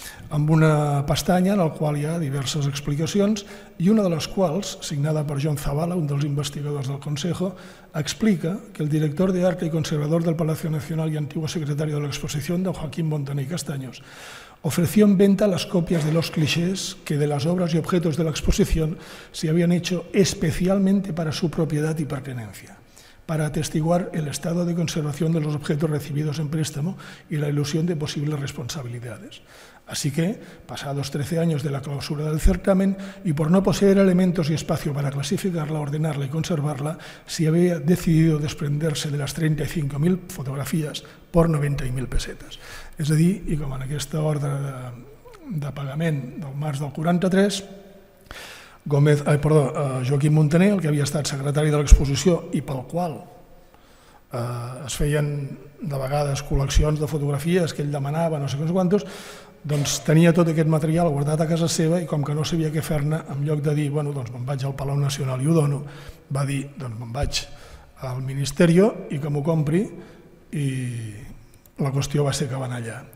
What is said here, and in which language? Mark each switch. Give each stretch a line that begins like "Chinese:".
Catalan: amb una pestanya en la qual hi ha diverses explicacions, i una de les quals, signada per John Zavala, un dels investigadors del Consejo, explica que el director d'Arte i conservador del Palacio Nacional i antiguo secretari de l'Exposició, don Joaquín Montaner i Castaños,
Spanish: ofreció en venta las copias de los clichés que de las obras y objetos de la exposición se habían hecho especialmente para su propiedad y pertenencia, para atestiguar el estado de conservación de los objetos recibidos en préstamo y la ilusión de posibles responsabilidades. Así que, pasados 13 años de la clausura del certamen y por no poseer elementos y espacio para clasificarla, ordenarla y conservarla, se había decidido desprenderse de las 35.000 fotografías por 90.000 pesetas.
Catalan: És a dir, i com en aquesta ordre de pagament del març del 43, Joaquim Montaner, el que havia estat secretari de l'exposició i pel qual es feien de vegades col·leccions de fotografies que ell demanava, no sé quants quantos, doncs tenia tot aquest material guardat a casa seva, i com que no sabia què fer-ne, en lloc de dir, bueno, doncs me'n vaig al Palau Nacional i ho dono, va dir, doncs me'n vaig al Ministeri i que m'ho compri, i la qüestió va ser que van allà.